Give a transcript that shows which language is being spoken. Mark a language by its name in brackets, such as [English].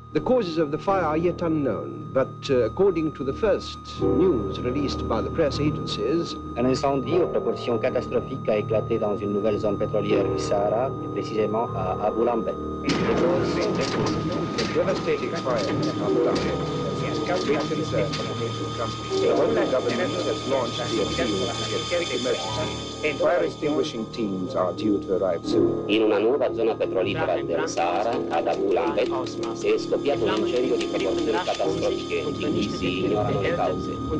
[English] The causes of the fire are yet unknown, but according to the first news released by the press agencies, [French] un incendie aux proportions catastrophiques a éclaté dans une nouvelle zone pétrolière du Sahara, et précisément à Abu Lambeth. [English] Devastating fire in Abu Lambeth. The local government has launched the appeal to get emergency. Fire extinguishing teams are due to arrive soon. [Italian] In una nuova zona petrolifera del Sahara, ad Abu Lambeth, si è scoppiato un incendio di proporzioni catastrofiche di cui si ignorano le cause.